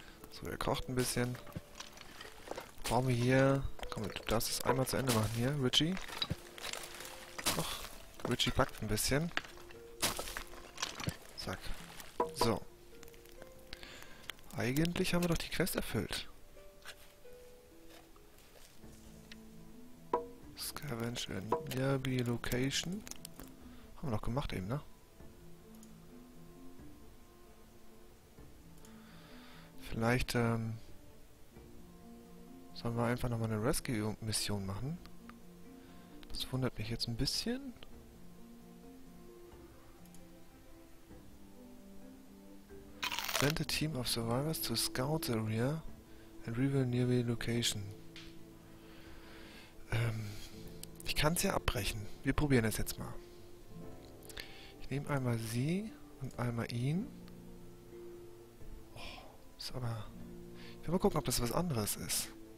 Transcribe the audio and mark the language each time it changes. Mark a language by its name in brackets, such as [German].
[German] So, er kocht ein bisschen. Brauchen wir hier... Komm, du darfst es einmal zu Ende machen hier, Richie. Och, Richie packt ein bisschen. Zack. So. Eigentlich haben wir doch die Quest erfüllt. [English] Scavenge in nearby location. [German] Haben wir noch gemacht eben, ne? Vielleicht, sollen wir einfach nochmal eine Rescue-Mission machen. Das wundert mich jetzt ein bisschen. [English] Send a team of survivors to scout area and reveal nearby location. [German] Ich kann es ja abbrechen. Wir probieren es jetzt mal. Ich nehme einmal sie und einmal ihn. Oh, ist aber... Ich will mal gucken, ob das was anderes ist.